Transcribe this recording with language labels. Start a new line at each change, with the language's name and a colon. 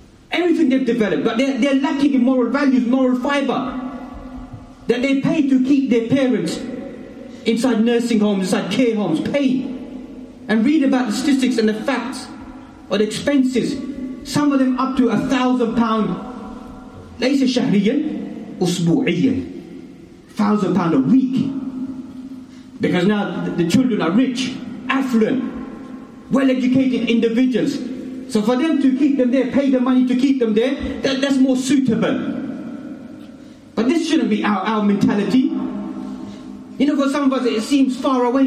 English: Everything they've developed, but they're lacking in moral values, moral fiber. That they pay to keep their parents inside nursing homes, inside care homes, pay. And read about the statistics and the facts or the expenses. Some of them up to £1,000.
Arabic: ليس شهريا أسبوعيا £1,000
English: a week. Because now the children are rich, affluent, well-educated individuals. So for them to keep them there, pay the money to keep them there, that's more suitable. But this shouldn't be our mentality. You know, for some of us, it seems far away.